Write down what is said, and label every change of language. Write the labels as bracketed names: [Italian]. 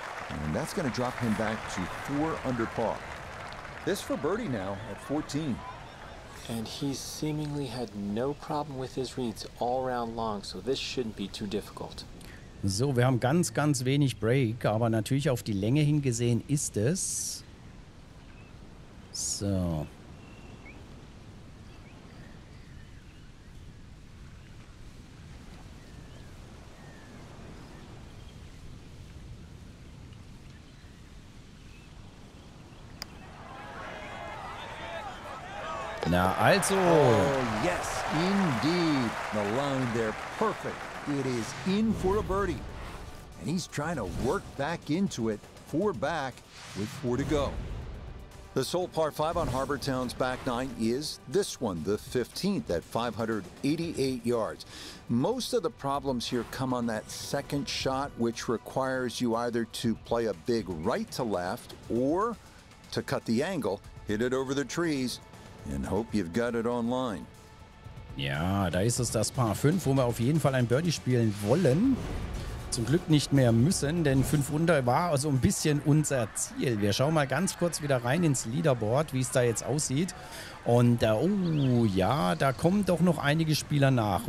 [English] And that's going to drop him back to four under par. This for birdie now at 14. And he's seemingly had no problem with his reads all round long, so this shouldn't be too difficult. [German] So, wir haben ganz, ganz wenig Break, aber natürlich auf die Länge hin gesehen ist es. So. Na also. [English] Oh, yes, indeed. The line there, perfect. It is in for a birdie. And he's trying to work back into it. Four back with four to go. The sole par five on Harbor Town's back nine is this one, the 15th at 588 yards. Most of the problems here come on that second shot, which requires you either to play a big right to left or to cut the angle, hit it over the trees, and hope you've got it online. [German] Ja, da ist es das Paar 5, wo wir auf jeden Fall ein Birdie spielen wollen. Zum Glück nicht mehr müssen, denn 5 unter war also ein bisschen unser Ziel. Wir schauen mal ganz kurz wieder rein ins Leaderboard, wie es da jetzt aussieht. Und da kommen doch noch einige Spieler nach.